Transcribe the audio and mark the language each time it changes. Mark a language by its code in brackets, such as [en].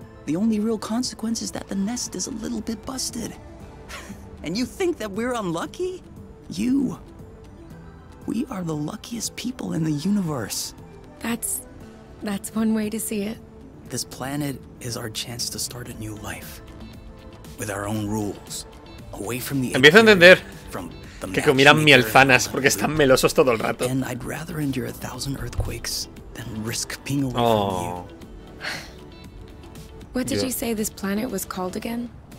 [en] The only real consequence is that the nest is a little bit busted. And you think that we're unlucky? You. We are the luckiest people in the universe. That's one way to see it. This planet is our chance to start a new life. With our own rules. Away from the... [es] Empiezo a entender que comieran mielzanas porque están melosos todo el rato. [en] And I'd rather endure a thousand earthquakes than risk being away from you. What did you say this planet was called again?